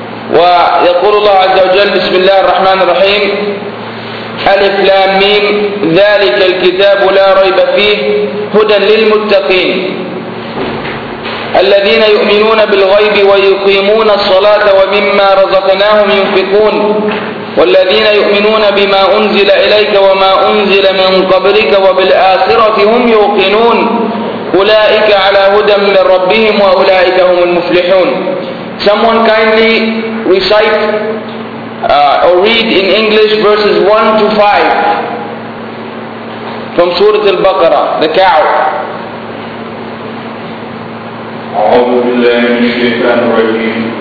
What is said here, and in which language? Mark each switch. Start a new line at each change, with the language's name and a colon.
Arabic: ويقول الله عز وجل: بسم الله الرحمن الرحيم. ألف لام ميم، ذلك الكتاب لا ريب فيه هدى للمتقين الذين يؤمنون بالغيب ويقيمون الصلاة ومما رزقناهم ينفقون والذين يؤمنون بما أنزل إليك وما أنزل من قبلك وبالآخرة هم يوقنون أولئك على هدى من ربهم وأولئك هم المفلحون.
English: Someone kindly recite or read in English verses 1 to 5 from Surah Al-Baqarah, the cow.
Arabic: أعوذ بالله من الشيطان الرجيم.